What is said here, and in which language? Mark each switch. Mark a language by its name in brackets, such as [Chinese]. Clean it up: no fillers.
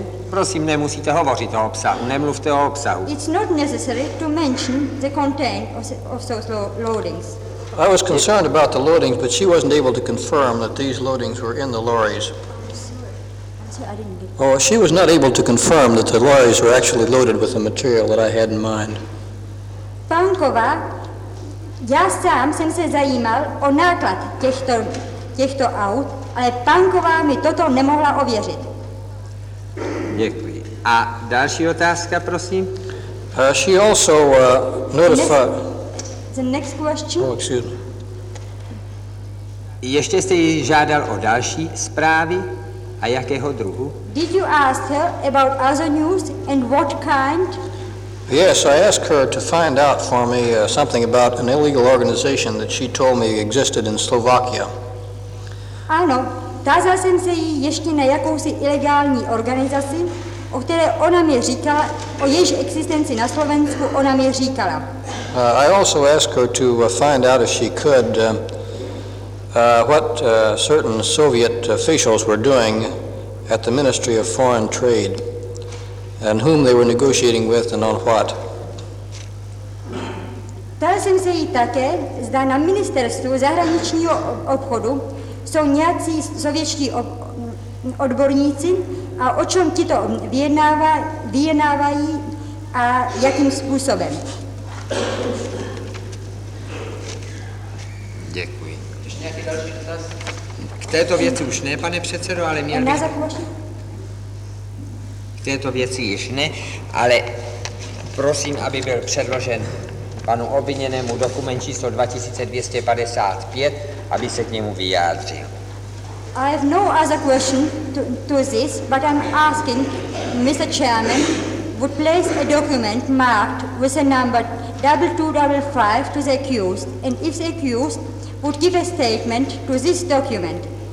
[Czech] Prosím, nemusíte hovořit o obsahu. Nemluvte o obsahu. [English] It's not necessary to mention the content of those loadings. I was concerned about the loadings, but she wasn't able to confirm that these loadings were in the lorries. She was not able to confirm that the lorries were actually loaded with the material that I had in mind. [Czech] Pankova, já sám jsem se zajímal o náklad těchto aut, ale Panková mi toto nemohla ověřit. Děkuji. A další otázka, prosím. [English] She also notified. The next question. Oh, excuse me. [Czech] Ještě jste ji žádal o další zprávy a jakého druhu? [English] Did you ask her about other news and what kind? Yes, I asked her to find out for me something about an illegal organization that she told me existed in Slovakia. [Czech] Ano, tázal jsem se jí ještě na jakousi ilegální organizaci, o které ona mi říkala, o jejíž existenci na Slovensku ona mi říkala. [English] I also asked her to find out if she could what certain Soviet officials were doing at the Ministry of Foreign Trade. And whom they were negotiating with and on what. [Czech] Ptal jsem se jí také, zda na ministerstvu zahraničního obchodu jsou nějací sovětští odborníci a o čem tito vyjednávají a jakým způsobem. Děkuji. Ještě nějaký další dotaz? K této věci už ne, pane předsedo, ale měl bych... Této věci již ne, ale prosím, aby byl předložen panu obviněnému dokument číslo 2255, aby se k němu vyjádřil. [English] I have no other question to this, but I'm asking Mr. Chairman would place a document marked with the number 2255 to the accused, and if the accused would give a statement to this document.